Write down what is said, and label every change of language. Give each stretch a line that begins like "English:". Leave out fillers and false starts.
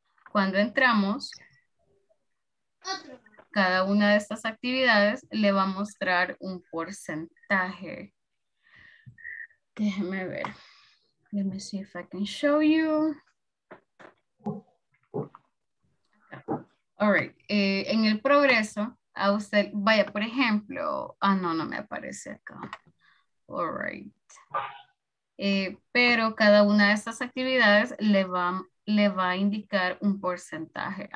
Spanish: Cuando entramos, cada una de estas actividades le va a mostrar un porcentaje. Déjeme ver.
English: Let me see if I can show you. All right.
Spanish: En el progreso, a usted, vaya, por ejemplo, no me aparece acá.
English: All right.
Spanish: Pero cada una de estas actividades le va a indicar un porcentaje.